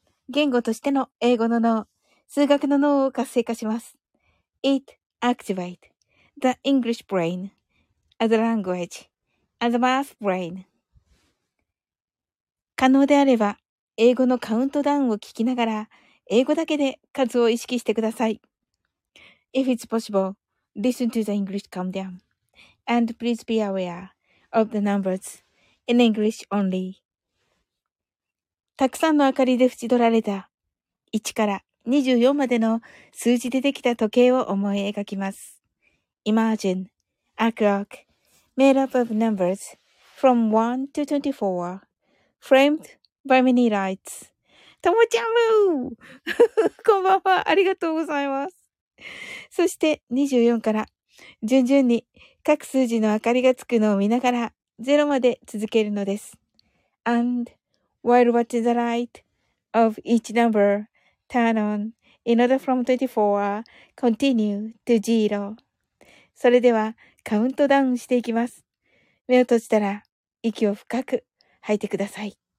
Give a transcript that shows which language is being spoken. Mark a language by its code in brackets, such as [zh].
[ja] 言語としての英語の脳、数学の脳を活性化します。 [en] It activates the English brain. As a language, as a math brain. [ja] 可能であれば、英語のカウントダウンを聞きながら、英語だけで数を意識してください。 [en] If it's possible, listen to the English countdown. And please be aware of the numbers in English only. [ja] たくさんの明かりで縁取られた1から24までの数字でできた時計を思い描きます。 [en] Imagine a clock. Made up of numbers from 1 to 24, framed by many lights. [ja] ともちゃんもこんばんは、ありがとうございます。そして24から順々に各数字の明かりがつくのを見ながら0まで続けるのです。 [en] And while watching the light of each number turn on in order from 24, continue to 0. [ja] それではカウントダウンしていきます。目を閉じたら息を深く吐いてください。